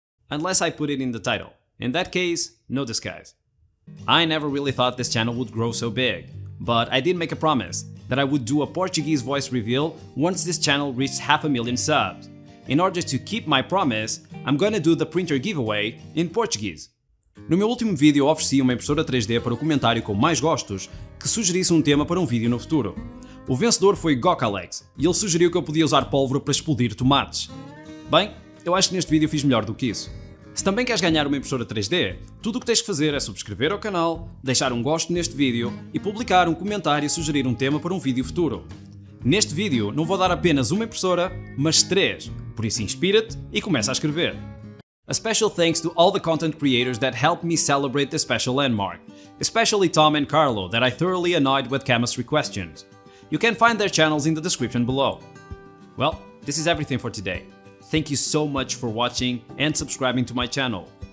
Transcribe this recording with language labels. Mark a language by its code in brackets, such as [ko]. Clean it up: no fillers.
[en] Unless I put it in the title. In that case, no disguise. I never really thought this channel would grow so big, but I did make a promise that I would do a Portuguese voice reveal once this channel reached 500,000 subs. In order to keep my promise, I'm gonna do the printer giveaway in Portuguese. [pt] No meu último vídeo ofereci uma impressora 3D para o comentário com mais gostos que sugerisse um tema para um vídeo no futuro. O vencedor foi Gokalex e ele sugeriu que eu podia usar pólvora para explodir tomates. Bem, eu acho que neste vídeo fiz melhor do que isso. Se também queres ganhar uma impressora 3D, tudo o que tens que fazer é subscrever ao canal, deixar um gosto neste vídeo e publicar um comentário e sugerir um tema para um vídeo futuro. Neste vídeo não vou dar apenas uma impressora, mas três, por isso inspira-te e começa a escrever. [en] A special thanks to all the content creators that helped me celebrate this special landmark, especially Tom and Carlo that I thoroughly annoyed with chemistry questions. You can find their channels in the description below. Well, this is everything for today. Thank you so much for watching and subscribing to my channel.